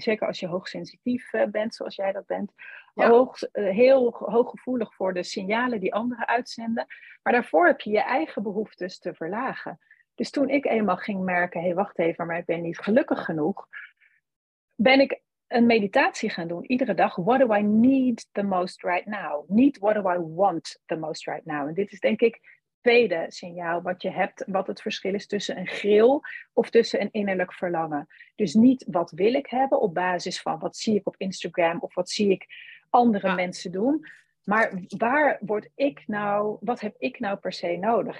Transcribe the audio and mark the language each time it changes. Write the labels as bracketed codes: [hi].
[nl] Zeker als je hoogsensitief bent, zoals jij dat bent. Ja. Heel hooggevoelig voor de signalen die anderen uitzenden. Maar daarvoor heb je je eigen behoeftes te verlagen. Dus toen ik eenmaal ging merken, hey, wacht even, maar ik ben niet gelukkig genoeg, ben ik een meditatie gaan doen. Iedere dag, [en] what do I need the most right now? [nl] Niet [en] what do I want the most right now? [nl] En dit is denk ik het tweede signaal wat je hebt, wat het verschil is tussen een gril of tussen een innerlijk verlangen. Dus niet wat wil ik hebben op basis van wat zie ik op Instagram of wat zie ik andere mensen doen. Maar waar word ik nou, wat heb ik nou per se nodig?